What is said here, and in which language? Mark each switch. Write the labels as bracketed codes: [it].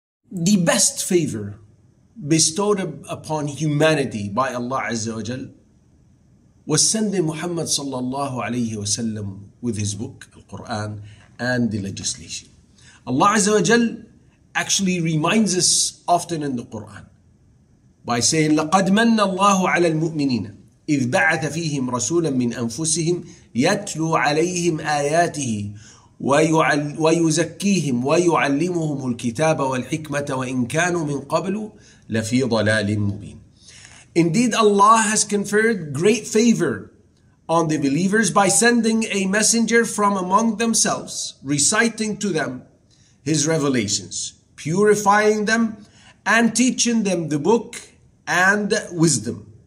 [en] The best favor bestowed upon humanity by Allah Azza wa Jal was sending Muhammad sallallahu alayhi wa sallam with his book, the Quran, and the legislation. Allah Azza wa Jal actually reminds us often in the Quran by saying, [ar] لَقَدْ مَنَّ اللَّهُ عَلَى الْمُؤْمِنِينَ إِذْ بَعَثَ فِيهِمْ رَسُولًا مِّنْ أَنفُسِهِمْ يَتْلُو عَلَيْهِمْ آيَاتِهِ وَيُزَكِّيهِمْ وَيُعَلِّمُهُمُ الْكِتَابَ وَالْحِكْمَةَ وَإِنْ كَانُوا مِنْ قَبْلُ لَفِي ضَلَالٍ مُّبِينٍ. [en] Indeed, Allah has conferred great favor on the believers by sending a messenger from among themselves, reciting to them his revelations, purifying them, and teaching them the book and wisdom.